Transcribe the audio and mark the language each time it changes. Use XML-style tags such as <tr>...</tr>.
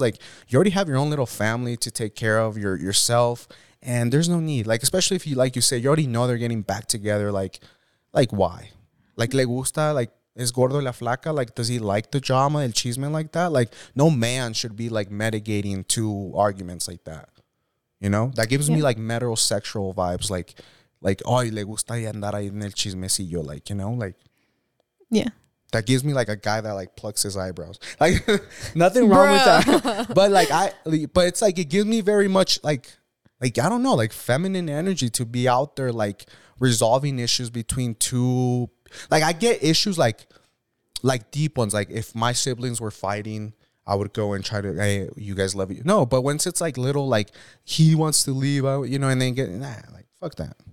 <en>Like, you already have your own little family to take care of, yourself. And there's no need. Like, especially if you, like you say, you already know they're getting back together. Like why? Like,</en> <es>le gusta,</es> <en>like, is gordo la flaca? Like, does he like the drama,</en> <es>el chisme</es> <en>like that? Like, no man should be, like, mitigating two arguments like that. You know? That gives me, like, metrosexual vibes. Like, oh,</en> <es>le gusta andar ahí en el chismecillo.</es> <en>Like, you know? Like, yeah. That gives me, like, a guy that, like, plucks his eyebrows. Like, nothing wrong with that. But, like, but it's, like, it gives me very much, like, I don't know, like, feminine energy to be out there, like, resolving issues between two. Like, I get issues like deep ones. Like, if my siblings were fighting, I would go and try to, hey, you guys love you. No, but once it's like little, like, he wants to leave, I, you know, and then get, nah, like, fuck that.</en>